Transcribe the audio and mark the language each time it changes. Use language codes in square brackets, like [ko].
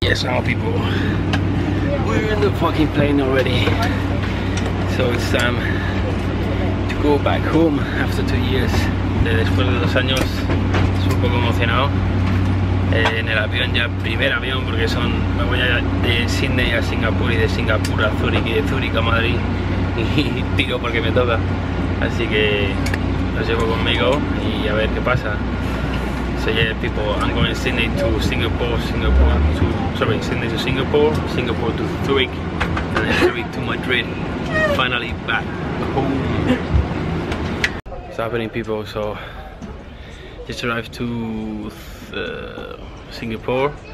[en] Yes, now people, we're in the fucking plane already. So it's time to go back home after 2 years. [es] Después de 2 años, soy un poco emocionado. En el avión, ya primer avión, porque son. Me voy a de Sydney a Singapur y de Singapur a Zurich y de Zurich a Madrid. Y tiro porque me toca. Así que. Los llevo conmigo y a ver qué pasa. [en] So yeah, people, I'm going to Sydney to Singapore, Sydney to Singapore, Singapore to Zurich, and then Zurich to Madrid. Finally back home. What's happening, people? So just arrived to Singapore.